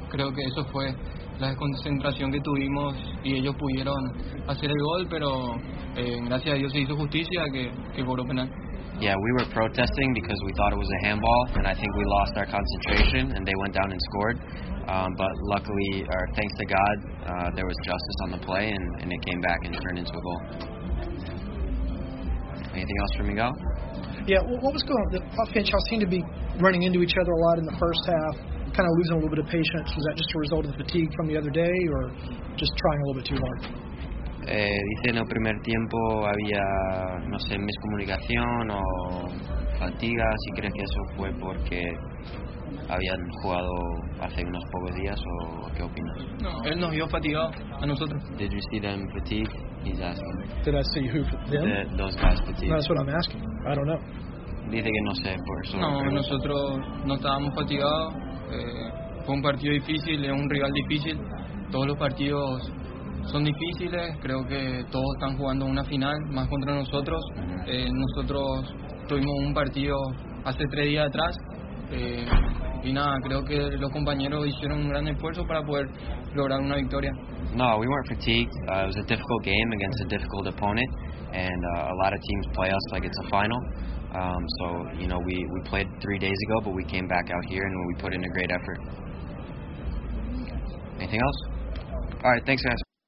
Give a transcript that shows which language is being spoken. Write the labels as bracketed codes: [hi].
[es] Creo que eso fue la desconcentración que tuvimos y ellos pudieron hacer el gol, pero gracias a Dios se hizo justicia que cobró penal. [en] Yeah, we were protesting because we thought it was a handball, and I think we lost our concentration and they went down and scored. But luckily, or thanks to God, there was justice on the play and it came back and turned into a goal. Anything else for Miguel? Yeah, what was going on? The Puff and Chow seemed to be running into each other a lot in the first half, kind of losing a little bit of patience. Was that just a result of the fatigue from the other day, or just trying a little bit too hard? [es] Dice en el primer tiempo había, no sé, miscomunicación o fatiga. Si crees que eso fue porque habían jugado hace unos pocos días, o qué opinas? No, él nos vio fatigado, a nosotros. [en] Did you see them fatigued? He's asking. Did I see who? Them? Those guys fatigued. No, that's what I'm asking. I don't know. [es] Dice que no sé, por eso. No, nosotros no estábamos fatigados. Fue un partido difícil, es un rival difícil. todos los partidos son difíciles, creo que todos están jugando una final, más contra nosotros. Nosotros tuvimos un partido hace 3 días atrás, y nada, creo que los compañeros hicieron un gran esfuerzo para poder lograr una victoria. [en] No, we weren't fatigued. It was a difficult game against a difficult opponent, and a lot of teams play us like it's a final. So we played 3 days ago, but we came back out here and we put in a great effort. Anything else? All right, thanks, guys.